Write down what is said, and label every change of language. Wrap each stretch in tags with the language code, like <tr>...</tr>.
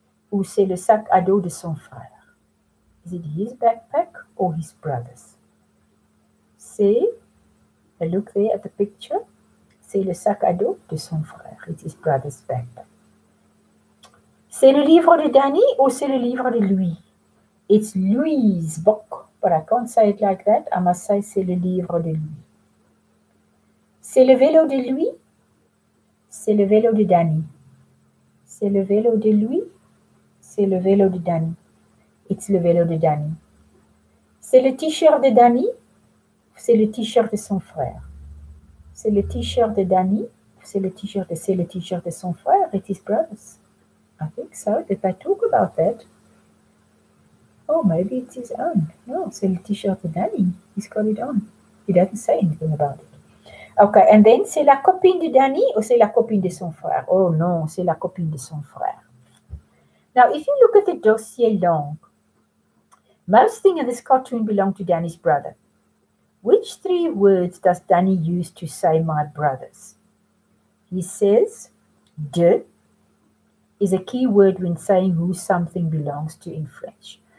<fr>Ou c'est le sac à dos de son frère?</fr> <en>Is it his backpack or his brother's? C'est, a look there at the picture,</en> <fr>c'est le sac à dos de son frère.</fr> <en>It's his brother's backpack.</en> <fr>C'est le livre de Danny ou c'est le livre de Louis?</fr> <en>It's Louis's book, but I can't say it like that. I must say</en> <fr>c'est le livre de Louis. C'est le vélo de Louis? C'est le vélo de Danny. C'est le vélo de Louis? C'est le vélo de Danny.</fr> <en>It's</en> <fr>le vélo de Danny. C'est le t-shirt de Danny. C'est le t-shirt de son frère. C'est le t-shirt de Danny. C'est le t-shirt de son frère.</fr> <en>It's his brother's. I think so. Did I talk about that? Oh, maybe it's his own. No,</en> <fr>c'est le t-shirt de Danny.</fr> <en>He's got it on. He doesn't say anything about it. Okay, and then</en> <fr>c'est la copine de Danny ou c'est la copine de son frère? Oh non, c'est la copine de son frère.</fr> <en>Now, if you look at the dossier long, most things in this cartoon belong to Danny's brother. Which three words does Danny use to say my brothers? He says, de is a key word when saying who something belongs to in French.</en>